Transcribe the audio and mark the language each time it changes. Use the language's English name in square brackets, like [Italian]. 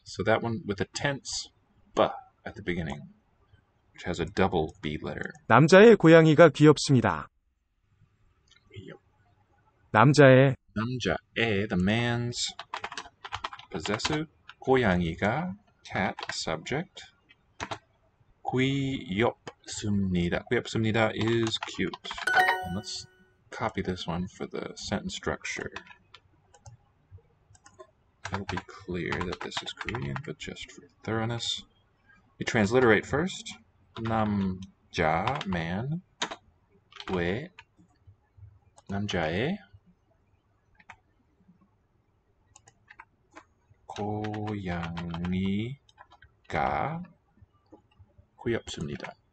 [English] So that one with a tense B at the beginning, which has a double B letter. [Korean] 남자의 고양이가 귀엽습니다. 귀엽. 남자의. [English] 남자의, the man's. Possessive, 고양이가, cat, subject, 귀엽습니다. 귀엽습니다 is cute. And let's copy this one for the sentence structure. It'll be clear that this is Korean, but just for thoroughness. We transliterate first. [Korean] 남자, man, 왜, 남자의, 고양이가 귀엽습니다.